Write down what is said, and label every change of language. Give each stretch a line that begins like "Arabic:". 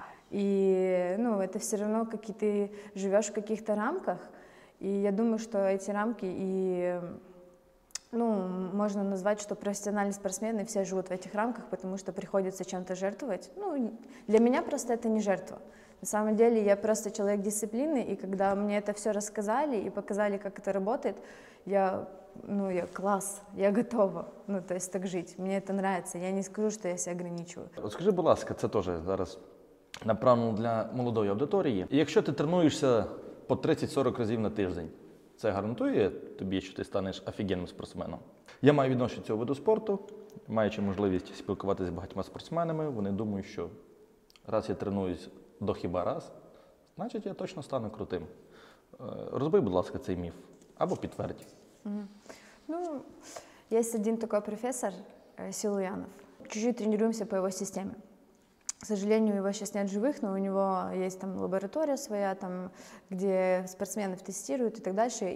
Russian: И, ну, это все равно какие-то, ты живешь в каких-то рамках, и я думаю, что эти рамки и, ну, можно назвать, что профессиональные спортсмены все живут в этих рамках, потому что приходится чем-то жертвовать. Ну, для меня просто это не жертва. На самом деле я просто человек дисциплины, и когда мне это все рассказали и показали, как это работает, я, ну, я класс, я готова, ну, то есть так жить, мне это нравится, я не скажу, что я себя ограничиваю.
Ukrainian: От скажи, будь ласка, це теж зараз направлено для молодої аудиторії. Якщо ти тренуєшся по 30-40 разів на тиждень, це гарантує тобі, що ти станеш офігенним спортсменом? Я маю відношення до цього виду спорту, маючи можливість спілкуватися з багатьма спортсменами, вони думають, що раз я тренуюсь до хіба раз, значить, я точно стану крутим. Розбий, будь ласка, цей міф або підтвердь. Ну, є один такий професор Силуянов. Чуть-чуть тренуємося по його системі.
Russian: К сожалению, его сейчас нет живых, но у него есть там лаборатория своя, там, где спортсменов тестируют и так дальше.